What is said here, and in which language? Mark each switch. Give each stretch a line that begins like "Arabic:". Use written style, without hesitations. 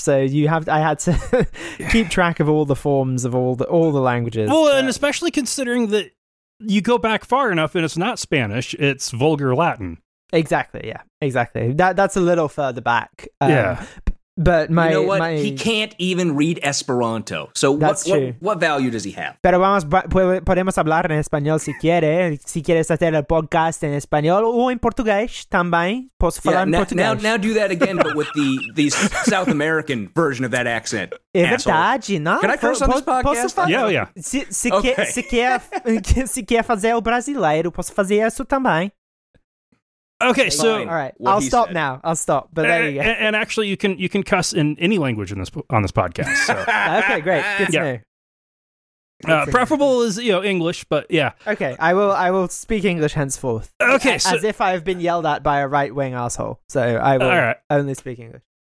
English: So you have, I had to keep track of all the forms of all the languages. Well, and especially considering that you go back far enough and it's not Spanish, it's Vulgar Latin. Exactly, yeah, exactly. That's a little further back. Yeah. But my, you know what? My, he can't even read Esperanto. So what value does he have?
Spanish: Pero vamos, podemos hablar en español si quiere. Si quieres hacer el podcast en español o en portugués también. Puedes hablar en portugués.
English: Now do that again, but with the South American version of that accent.
Spanish: Es verdad, ¿no?
English: Can I curse on this podcast? Yeah.
Spanish: Si quiere hacer el brasileiro, puedo hacer eso también.
English: Okay, fine. So all right, I'll stop now. But there you go. And actually, you can cuss in any language in this on this podcast. So. Okay, great. Good to know. Preferable is, you know, English, but yeah. Okay, I will speak English henceforth. Okay, as if I've been yelled at by a right wing asshole. So I will only speak English.